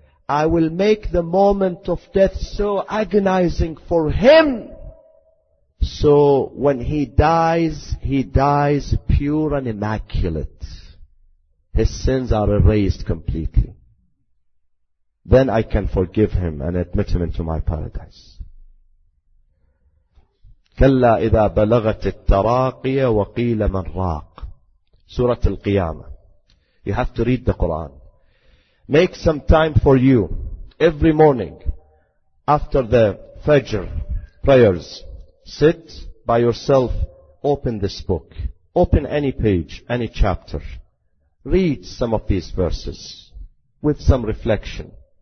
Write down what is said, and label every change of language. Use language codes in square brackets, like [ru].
[en] I will make the moment of death so agonizing for him. So when he dies pure and immaculate. His sins are erased completely. Then I can forgive him and admit him into my paradise. [ar] كَلَّا إِذَا بَلَغَتِ التَّرَاقِيَ وَقِيلَ مَنْ رَاقٍ Surah Al-Qiyamah. [en] You have to read the Quran. Make some time for you every morning after the Fajr prayers. Sit by yourself, open this book, open any page, any chapter, read some of these verses with some reflection.